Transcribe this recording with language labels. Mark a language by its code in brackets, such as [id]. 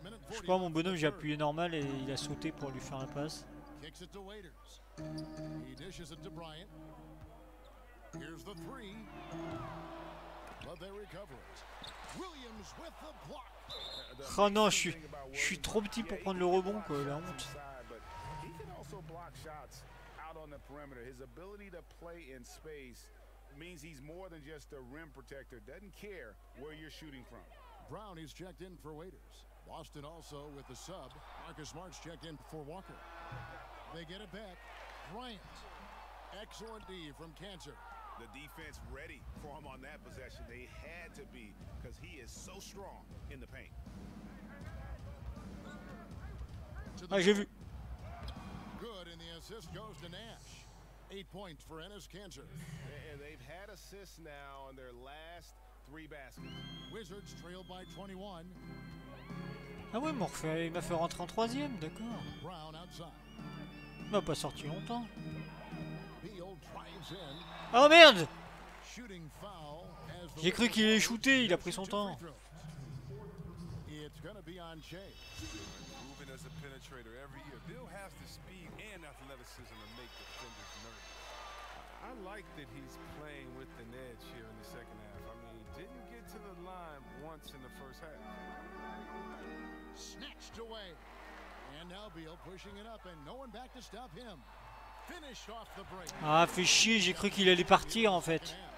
[fr] Je sais pas, mon bonhomme, j'ai appuyé normal et il a sauté pour lui faire la passe. [en] Kicks it to Waiters. He dishes it to Bryant. Here's the three. But they recover it. Williams with the block. [fr] Oh non, je suis trop petit pour prendre le rebond, quoi, la honte. [en] He can also block shots out on the perimeter. His ability to play in space means he's more than just a rim protector. Doesn't care where you're shooting from. Brown is checked in for Waiters. Boston also with the sub. Marcus Smart checked in for Walker. They get it back. Bryant. Excellent D from Cancer. The defense ready for him on that possession. They had to be because he is so strong in the paint. [fr] Ah, j'ai vu. [en] Good, and the assist goes to Nash. 8 points for Enes Kanter. And they've had assists now in their last three baskets. Wizards trail by 21. [fr] Ah ouais, il m'a fait rentrer en troisième, d'accord. [en] Brown outside. [fr] Il m'a pas sorti longtemps. [en] Beal drives in. [fr] Oh merde! [en] Shooting foul. [fr] J'ai cru qu'il allait shooter, il a pris son temps. [en] It's gonna be on Chain. Moving as a penetrator every year. Bill has the speed and athleticism to make defenders nervous. I like that he's playing with an edge here in the second half. I mean, he didn't get to the line once in the first half. Snatched away. And now Beal pushing it up and no one back to stop him. Finish off the break. [fr] Ah, fait chier, j'ai cru qu'il allait partir en fait.